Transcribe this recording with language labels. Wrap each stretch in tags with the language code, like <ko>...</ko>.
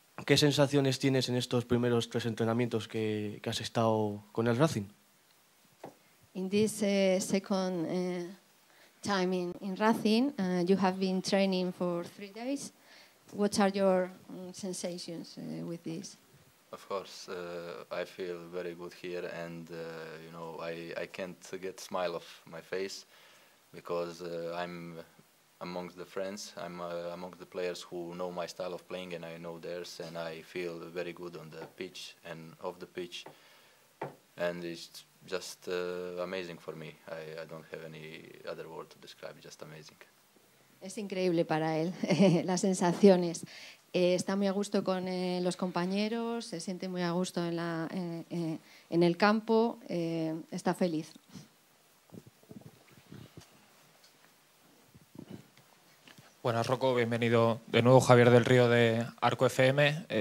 <es>¿Qué sensaciones tienes en estos primeros tres entrenamientos que has estado con el Racing?</es> <en>In this second time in Racing, you have been training for 3 days. What are your sensations with this? Of course, I feel very good here, and I can't get a smile off my face because I'm amongst the friends, I'm amongst the players who know my style of playing, and I know theirs, and I feel very good on the pitch and off the pitch, and it's just amazing for me. I don't have any other word to describe, just amazing.</en> <es>Es increíble para él, las sensaciones. Está muy a gusto con los compañeros, se siente muy a gusto en el campo, está feliz. Buenas, Rocco, bienvenido de nuevo. Javier del Río, de Arco FM.</es>